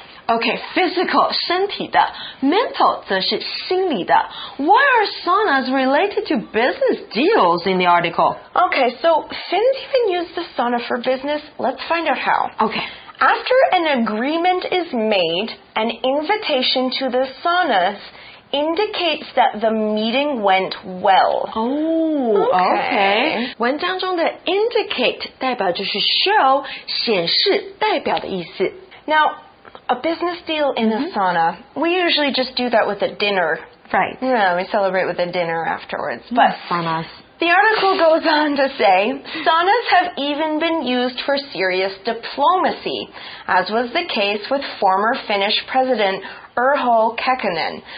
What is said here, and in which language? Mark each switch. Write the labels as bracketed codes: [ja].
[en] Okay, physical, 身体的 mental, 则是心理的 Why are saunas related to business deals in the article? Okay, so Finns even use the sauna for business. Let's find out how. Okay. After an agreement is made, an invitation to the saunas indicates that the meeting went well. Okay. [zh] 文章中的 indicate 代表就是 show, 显示代表的意思 [en] Now,A business deal in a sauna, we usually just do that with a dinner. Right. Yeah, we celebrate with a dinner afterwards. But saunas. The article goes on to say, saunas have even been used for serious diplomacy, as was the case with former Finnish president Urho Kekkonen.